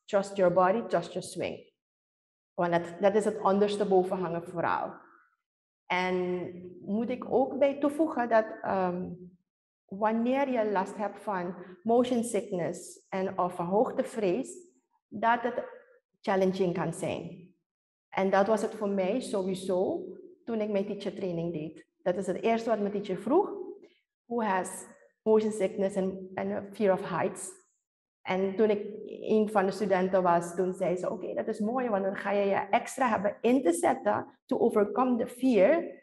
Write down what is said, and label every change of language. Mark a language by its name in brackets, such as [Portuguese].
[English] Trust your body, trust your swing. [Dutch] Want dat is het onderste bovenhangen vooral. En moet ik ook bij toevoegen dat wanneer je last hebt van motion sickness en of een hoogtevrees, dat het challenging kan zijn. En dat was het voor mij sowieso toen ik mijn teacher training deed. Dat is het eerste wat mijn teacher vroeg. [English] Who has motion sickness and fear of heights? [Dutch] En toen ik een van de studenten was, toen zei ze, oké, dat is mooi, want dan ga je extra hebben in te zetten [English] to overcome the fear.